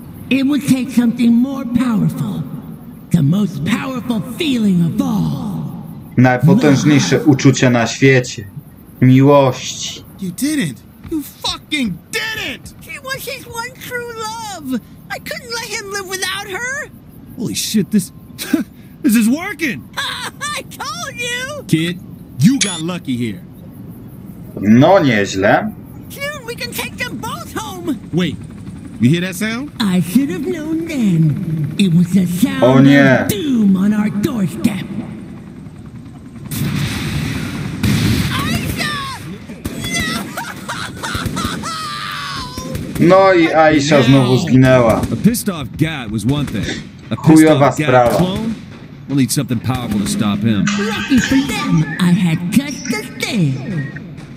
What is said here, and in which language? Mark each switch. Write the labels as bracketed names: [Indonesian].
[English] It would take something more powerful. The most powerful feeling of all. [Polish] Najpotężniejsze uczucie na świecie. Miłości. [English] You did it. You fucking did it. She was his one true love. I couldn't let him live without her. Holy shit, this... this is working! I told you! Kid, you got lucky here. [Polish] No, nieźle. [English] Dude, we can take them both home! Wait, you hear that sound? I should have known then. It was the sound of doom on our doorstep. [Polish] No i Aisha znowu zginęła. [English] A pissed off Gat was one thing. [Polish] A chujowa sprawa. [English] Clone? We'll need something powerful to stop him. Lucky for them, I had just the thing.